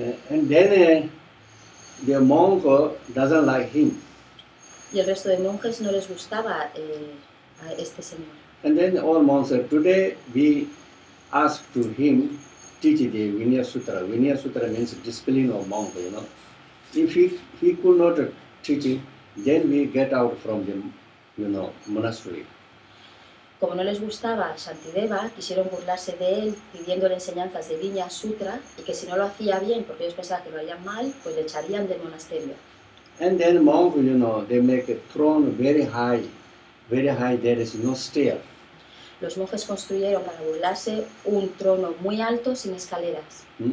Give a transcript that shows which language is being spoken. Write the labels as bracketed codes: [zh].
[en] And then the monk doesn't like him. [es] Y el resto de monjes no les gustaba a este señor. [en] And then all monks said, today we ask to him teach the Vinaya Sutra. Vinaya Sutra means discipline of monk, you know. If he could not teach it, then we get out from the, you know, monastery. [es] Como no les gustaba Shantideva, quisieron burlarse de él pidiéndole enseñanzas de Vinaya Sutra, y que si no lo hacía bien, porque ellos pensaban que lo harían mal, pues le echarían del monasterio. [en] And then monk, you know, they make a throne very high, there is no stair. [es] Los monjes construyeron para burlarse un trono muy alto sin escaleras.